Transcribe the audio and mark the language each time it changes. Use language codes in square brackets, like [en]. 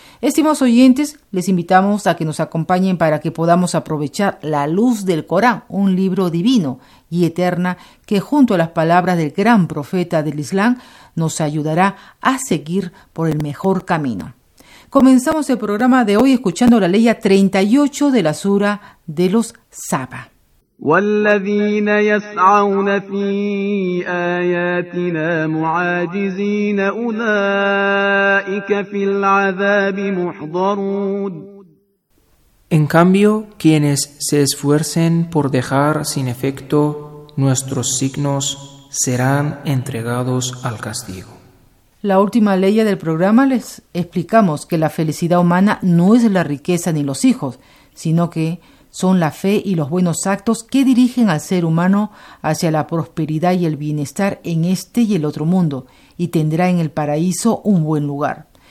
[es] Estimados oyentes, les invitamos a que nos acompañen para que podamos aprovechar la luz del Corán, un libro divino y eterna que junto a las palabras del gran profeta del Islam nos ayudará a seguir por el mejor camino. Comenzamos el programa de hoy escuchando la ley 38 de la Sura de los Saba. [ar] والذين يسعون في آياتنا معاجزين أولئك في العذاب محضرون. [es] En cambio, quienes se esfuercen por dejar sin efecto nuestros signos serán entregados al castigo. La última ley del programa les explicamos que la felicidad humana no es la riqueza ni los hijos, sino que son la fe y los buenos actos que dirigen al ser humano hacia la prosperidad y el bienestar en este y el otro mundo, y tendrá en el paraíso un buen lugar.